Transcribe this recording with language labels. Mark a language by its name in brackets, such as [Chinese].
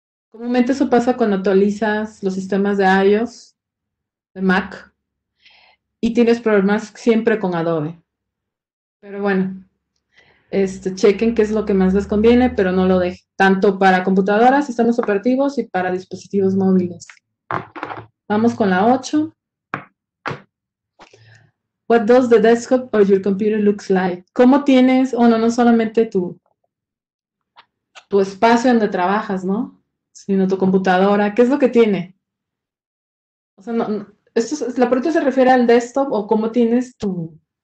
[Spanish] Comúnmente eso pasa cuando actualizas los sistemas de iOS, de Mac, y tienes problemas siempre con Adobe. Pero bueno. Chequen qué es lo que más les conviene, pero no lo dejen tanto para computadoras, sistemas operativos y para dispositivos móviles. Vamos con la 8. [English] What does the desktop or your computer looks like? [Spanish] ¿Cómo tienes, o no, no solamente tu espacio donde trabajas, ¿no? Sino tu computadora, ¿qué es lo que tiene? O sea, no, no, la pregunta se refiere al desktop o cómo tienes tu